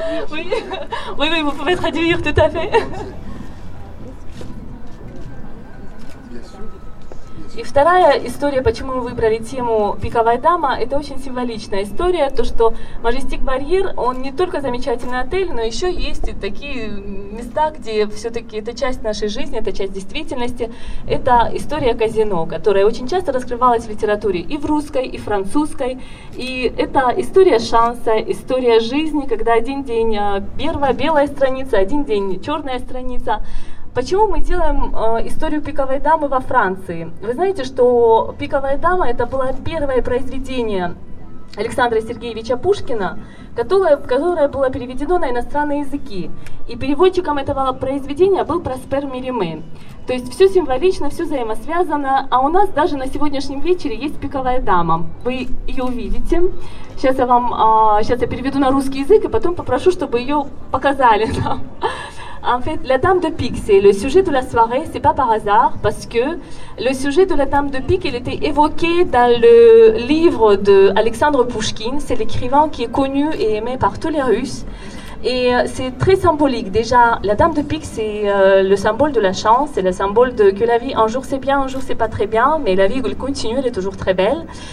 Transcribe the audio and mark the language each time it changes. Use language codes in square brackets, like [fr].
[fr] Oui, oui, vous pouvez traduire tout à fait. [ru] И вторая история, почему мы выбрали тему «Пиковая дама», это очень символичная история, то, что Majestic Barrière, он не только замечательный отель, но еще есть и такие места, где все-таки это часть нашей жизни, это часть действительности. Это история казино, которая очень часто раскрывалась в литературе и в русской, и в французской. И это история шанса, история жизни, когда один день первая белая страница, один день черная страница. Почему мы делаем историю «Пиковой дамы» во Франции? Вы знаете, что «Пиковая дама» — это было первое произведение Александра Сергеевича Пушкина, которое было переведено на иностранные языки. И переводчиком этого произведения был Проспер Мериме. То есть все символично, все взаимосвязано, а у нас даже на сегодняшнем вечере есть «Пиковая дама». Вы ее увидите. Сейчас я переведу на русский язык, и потом попрошу, чтобы ее показали нам. [fr] En fait, la Dame de Pique, c'est le sujet de la soirée, c'est pas par hasard, parce que le sujet de la Dame de Pique, il était évoqué dans le livre d'Alexandre Pouchkine, c'est l'écrivain qui est connu et aimé par tous les Russes, et c'est très symbolique. Déjà, la Dame de Pique, c'est le symbole de la chance, c'est le symbole de que la vie, un jour c'est bien, un jour c'est pas très bien, mais la vie elle continue, elle est toujours très belle.